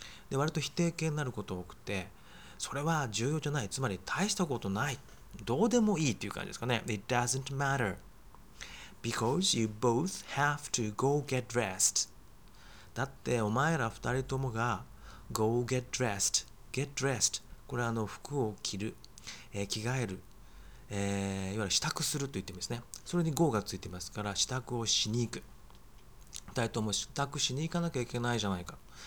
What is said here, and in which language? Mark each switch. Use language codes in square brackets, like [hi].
[ja] で、割と否定形になること多くて、それは重要じゃない。つまり大したことない。どうでもいいっていう感じですかね。 [en] It doesn't matter because you both have to go get dressed。 [ja] だってお前ら二人ともが [en] go get dressed。 [ja] get dressed これあの服を着る、着替える、いわゆる支度すると言ってますね。それに go がついてますから支度をしに行く、二人とも支度しに行かなきゃいけないじゃないか。